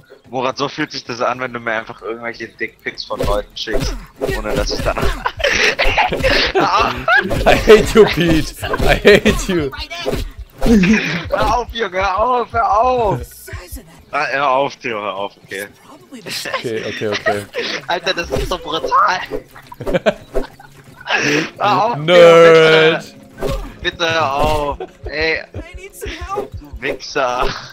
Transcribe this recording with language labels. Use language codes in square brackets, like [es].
[de] Murat, so fühlt sich das an, wenn du mir einfach irgendwelche Dickpics von Leuten schickst, ohne dass ich danach. [en] I hate you, Pete! I hate you! [de] Hör auf, Junge, hör auf! Hör auf, Theo, hör auf, okay. Okay. Alter, das ist so brutal! Hör auf, Nerd! Theo, bitte hör auf! Ey! Du Wichser!